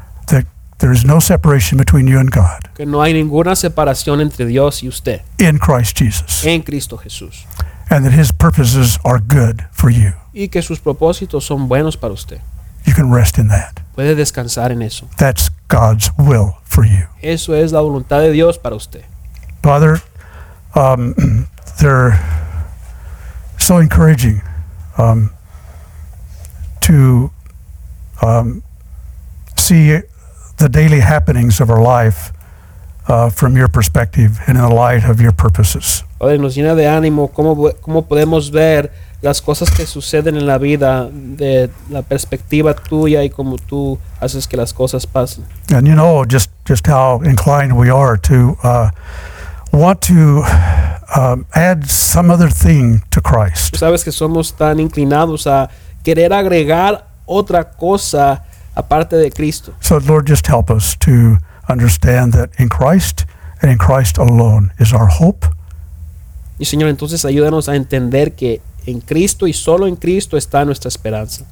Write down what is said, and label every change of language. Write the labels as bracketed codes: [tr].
[en] That there is no separation between you and God. [es] Que no hay ninguna separación entre Dios y usted. [en] In Christ Jesus. [es] En Cristo Jesús. [en] and that his purposes are good for you. [es] Y que sus propósitos son buenos para usted. [en] You can rest in that. [es] Puede descansar en eso. [en] That's God's will for you. [es] Eso es la voluntad de Dios para usted. [en] Father, they're so encouraging to see the daily happenings of our life from your perspective and in the light of your purposes. [es] Padre, nos llena de ánimo cómo podemos ver las cosas que suceden en la vida de la perspectiva tuya y cómo tú haces que las cosas pasen. [en] And you know just how inclined we are to want to add some other thing to Christ. [es] Tú sabes que somos tan inclinados a querer agregar otra cosa aparte de Cristo. [en] So Lord, just help us to understand that in Christ and in Christ alone is our hope. [es] Y Señor, entonces ayúdanos a entender que en Cristo y solo en Cristo está nuestra esperanza.